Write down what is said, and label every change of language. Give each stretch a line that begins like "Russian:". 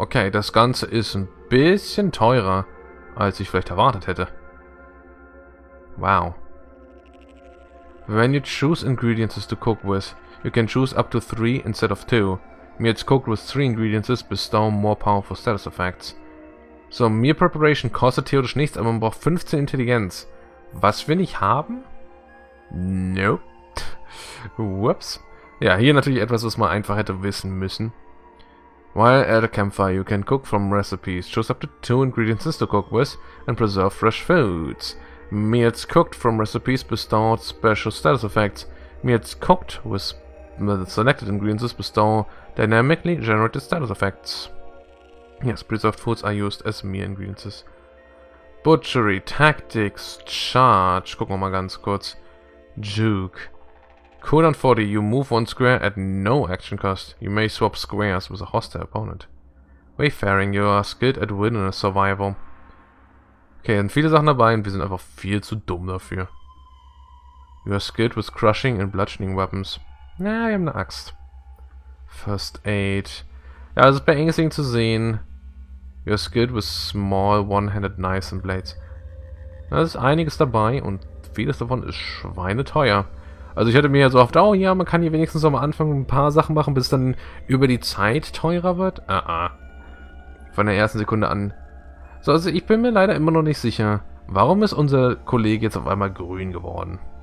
German: Okay, das Ganze ist ein bisschen teurer, als ich vielleicht erwartet hätte. Wow.
English: When you choose ingredients to cook with, you can choose up to 3 instead of 2. Meals cooked with 3 ingredients bestow more powerful status effects.
German: So, Meal Preparation kostet theoretisch nichts, aber man braucht 15 Intelligenz. Was will ich haben? Nope. Whoops. Ja, hier natürlich etwas, was man einfach hätte wissen müssen.
English: While at a campfire, you can cook from recipes. Choose up to 2 ingredients to cook with and preserve fresh foods. Meals cooked from recipes bestow special status effects. Meals cooked with the selected ingredients bestow dynamically generated status effects. Yes, preserved foods are used as meal ingredients. Butchery, tactics, charge.
German: Gucken wir mal ganz kurz.
English: Juke. Cooldown 40, you move one square at no action cost. You may swap squares with a hostile opponent. Wayfaring, you are skilled at winning a survival.
German: Okay, dann viele Sachen dabei und wir sind einfach viel zu dumm dafür.
English: You are skilled with crushing and bludgeoning weapons.
German: Na, wir haben eine Axt. First Aid. Ja, das ist bei Engelsing zu sehen.
English: You are skilled with small one-handed knives and blades.
German: Da ist einiges dabei und vieles davon ist schweineteuer. Also ich hätte mir ja so oft, oh ja, man kann hier wenigstens am Anfang ein paar Sachen machen, bis es dann über die Zeit teurer wird. Von der ersten Sekunde an. So, also ich bin mir leider immer noch nicht sicher, warum ist unser Kollege jetzt auf einmal grün geworden?